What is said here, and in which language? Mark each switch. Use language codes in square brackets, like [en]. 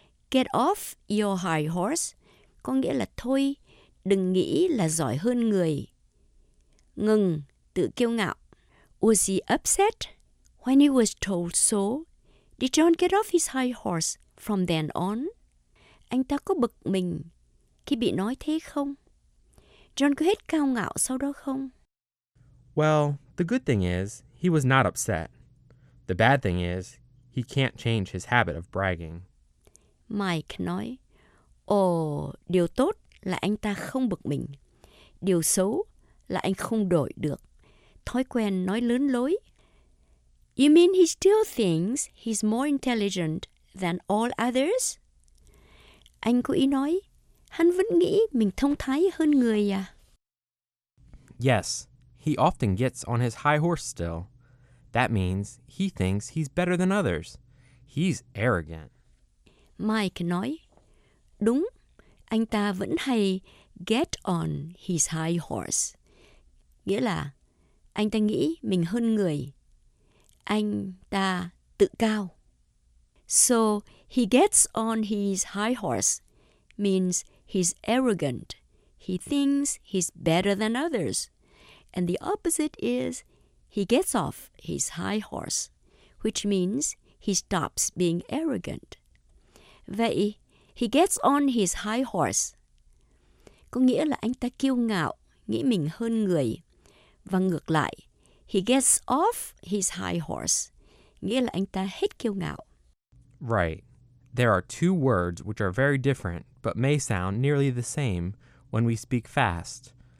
[en] Get off your high horse [vi] có nghĩa là thôi, đừng nghĩ là giỏi hơn người. Ngừng, tự kiêu ngạo. [en] Was he upset when he was told so? Did John get off his high horse from then on? [vi] Anh ta có bực mình khi bị nói thế không? John có hết cao ngạo sau đó không? [en] Well, the good thing is, he was not upset. The bad thing is, he can't change his habit of bragging. [vi] Mike nói, ồ, điều tốt là anh ta không bực mình. Điều xấu là anh không đổi được thói quen nói lớn lối. [en] You mean he still thinks he's more intelligent than all others? [vi] Anh có ý nói, hắn vẫn nghĩ mình thông thái hơn người à? [en] Yes, he often gets on his high horse still. That means he thinks he's better than others. He's arrogant. [vi] Mike nói, đúng, anh ta vẫn hay [en] get on his high horse. [vi] Nghĩa là, anh ta nghĩ mình hơn người. Anh ta tự cao. [en] So, he gets on his high horse means he's arrogant. He thinks he's better than others. And the opposite is he gets off his high horse, which means he stops being arrogant. [vi] Vậy, [en] he gets on his high horse [vi] có nghĩa là anh ta kiêu ngạo, nghĩ mình hơn người. Và ngược lại, [en] he gets off his high horse [vi] nghĩa là anh ta hết kiêu ngạo. [en] Right. There are two words which are very different but may sound nearly the same when we speak fast.